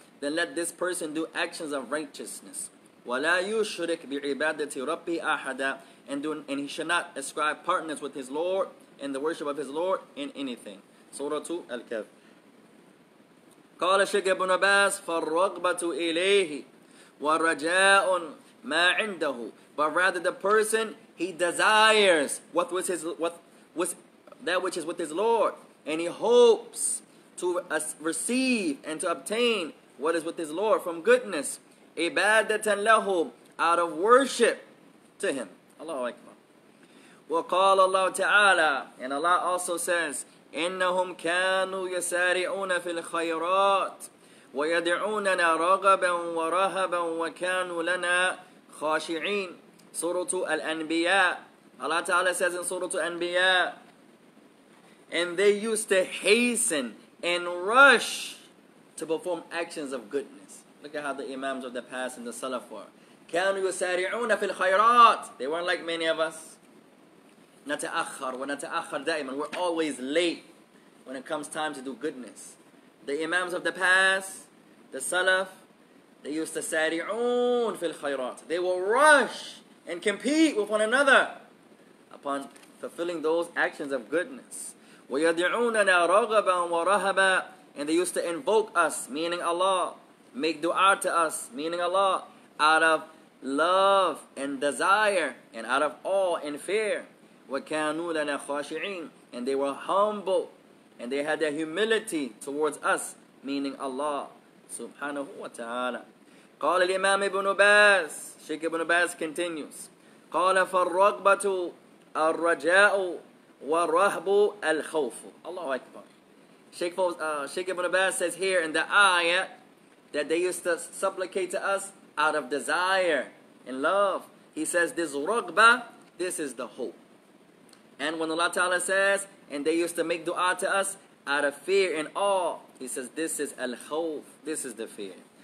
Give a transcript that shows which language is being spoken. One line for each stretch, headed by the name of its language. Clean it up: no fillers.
English: Then let this person do actions of righteousness.
Arabic: وَلَا يُشْرِكْ بِعِبَادَةِ رَبِّهِ أَحَدًا.
English: And he should not ascribe partners with his Lord and the worship of his Lord in anything. Surah 2 Al-Kahf.
Arabic: قال الشيخ ابن عباس فالرغبة إليه ورجاء ما عنده.
English: But rather the person, he desires what was his, what was that which is with his Lord, and he hopes to receive and to obtain what is with his Lord from goodness.
Arabic: عبادة له,
English: out of worship to him. Allahu Akbar.
Arabic: وقال الله تعالى,
English: and Allah also says,
Arabic: إنهم كانوا يسارعون في الخيرات ويدعوننا رغبا ورهبا وكانوا لنا خاشعين. سورة الأنبياء.
English: Allah Ta'ala says in Surah Al-Anbiya, and they used to hasten and rush to perform actions of goodness. Look at how the Imams of the past and the Salaf were.
Arabic: كانوا يسارعون في الخيرات.
English: They weren't like many of us.
Arabic: نتأخر ونتأخر دائما.
English: We're always late when it comes time to do goodness. The Imams of the past, the Salaf, they used to
Arabic: sari'oon fil khayrat.
English: They will rush and compete with one another upon fulfilling those actions of goodness.
Arabic: وَيَدْعُونَنَا رَغَبًا وَرَهَبًا.
English: And they used to invoke us, meaning Allah, make dua to us, meaning Allah, out of love and desire and out of awe and fear.
Arabic: وَكَانُوا لَنَا خَاشِعِينَ.
English: And they were humble, and they had their humility towards us, meaning Allah subhanahu wa ta'ala.
Arabic: قال الإمام ابن باز,
English: Sheikh ibn Baz continues,
Arabic: قال فالرغبة الرجاء والرهب الخوف.
English: Allahu Akbar. Sheikh ibn Baz says here in the ayah that they used to supplicate to us out of desire and love. He says this rugba, this is the hope. And when Allah Ta'ala says, and they used to make dua to us out of fear and awe, he says, this is al-khawf, this is the fear.